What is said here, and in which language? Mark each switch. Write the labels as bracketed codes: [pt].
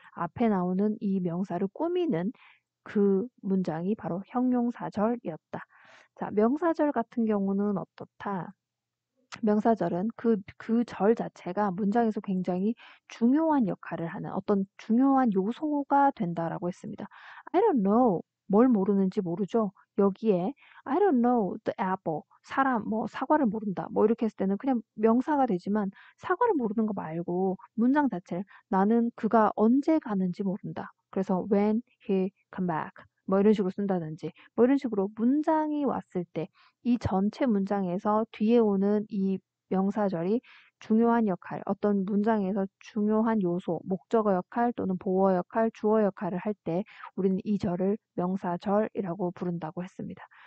[ko] 앞에 나오는 이 명사를 꾸미는 그 문장이 바로 형용사절이었다. 자, 명사절 같은 경우는 어떻다? 명사절은 그절 자체가 문장에서 굉장히 중요한 역할을 하는 어떤 중요한 요소가 된다라고 했습니다. [en] I don't know. [ko] 뭘 모르는지 모르죠. [en] 여기에 I don't know the apple. [ko] 사람, 뭐, 사과를 모른다. 뭐, 이렇게 했을 때는 그냥 명사가 되지만 사과를 모르는 거 말고 문장 자체를 나는 그가 언제 가는지 모른다. [en] 그래서 when he come back. [ko] 뭐 이런 식으로 쓴다든지, 뭐 이런 식으로 문장이 왔을 때, 이 전체 문장에서 뒤에 오는 이 명사절이 중요한 역할, 어떤 문장에서 중요한 요소, 목적어 역할 또는 보어 역할, 주어 역할을 할 때, 우리는 이 절을 명사절이라고 부른다고 했습니다.